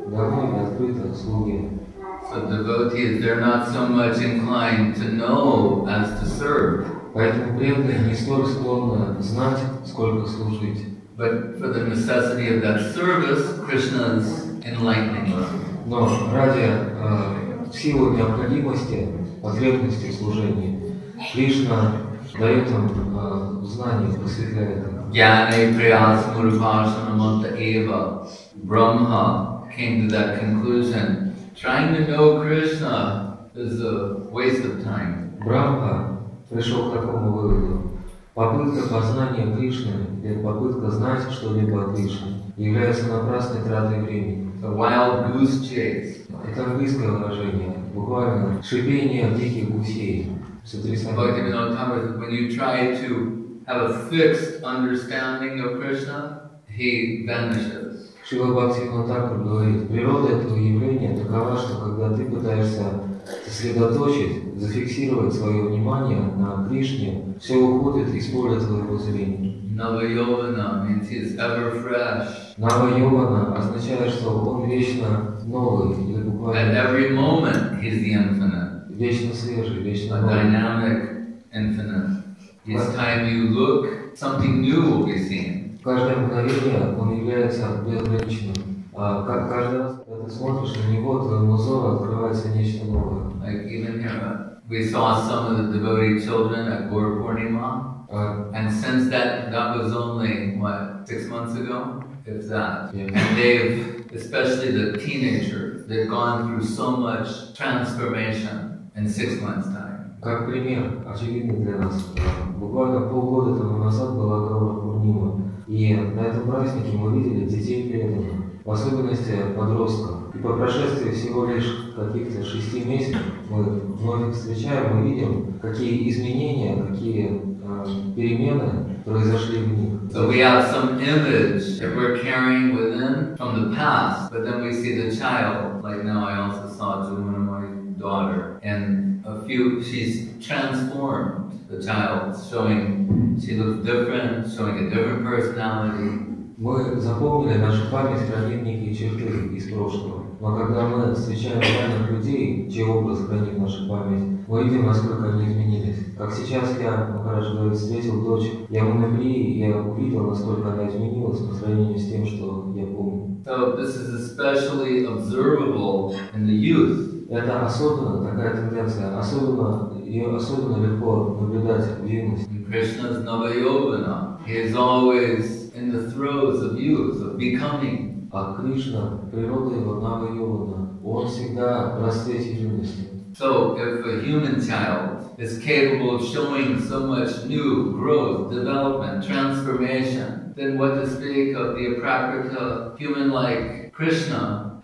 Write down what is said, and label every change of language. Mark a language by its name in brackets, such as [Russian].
[English] So devotees, they're not so much inclined to know as to serve. [Russian] Поэтому преданные не столь склонны знать, сколько служить. [English] But for the necessity of that service, Krishna's enlightening us. [Russian] Но ради силы необходимости, потребности служения, Кришна дает им знание, просветляет их. [Sanskrit] Jnane priyasmuru pashana manta eva [English] brahma came to that conclusion. Trying to know Krishna is a waste of time. [Russian] Брахма пришел к такому выводу. Попытка познания Кришны или попытка знать что-либо о Кришне является напрасной тратой времени. [English] A wild goose chase. [Russian] Это английское выражение, буквально шипение диких гусей. [English] When you try to have a fixed understanding of Krishna, he vanishes. [Russian] Шрила Бхактивинода Тхакур говорит, природа этого явления такова, что когда ты пытаешься сосредоточить, зафиксировать свое внимание на Кришне, все уходит из поля твоего зрения. [English] Нава-йована means he is ever fresh. [Russian] Нава-йована означает, что он вечно новый или буквально. [English] At every moment he is the infinite. [Russian] Вечно свежий, вечно новый. [English] A dynamic infinite. Each time you look, something new will be seen. [Russian] Каждое мгновение он является безграничным. А как каждый раз, когда ты смотришь на него, твоему взору открывается нечто новое. [English] Like even here, we saw some of the devotee children at Gaur Purnima. And since that was only, what, 6 months ago? If that. Yeah. And they've, especially the teenagers, they've gone through so much transformation in 6 months' time. [Russian] Как пример, очевидный для нас. Буквально полгода тому назад была Гаур Пурнима. И на этом празднике мы видели детей преданных, в особенности подростков. И по прошествии всего лишь каких-то 6 месяцев мы вновь их встречаем, мы видим, какие изменения, какие перемены произошли в них. [English] So we have some image that we're carrying within from the past, but then we see the child, like now I also saw Jumunamari's daughter, and a few, she's transformed. The child showing, she looks different, showing a different personality. [Russian] Мы запомнили нашу память родинники и черты из прошлого. Но когда мы встречаем реальных людей, чей образ хранит наша память, мы видим, насколько они изменились. Как сейчас я, Махарадж говорит, встретил дочь Ямунабри, и я увидел, насколько она изменилась по сравнению с тем, что я помню. [English] So this is especially observable in the youth. [Russian] Это особенно такая тенденция, особенно ее особенно легко наблюдать в юности. [English] Krishna is Navayovana. He is always in the throes of youth, of becoming. [Russian] А Кришна, природа его Навайована, он всегда в расцвете юности. [English] So if a human child is capable of showing so much new growth, development, transformation, then what to speak of the aprakrita human like Krishna?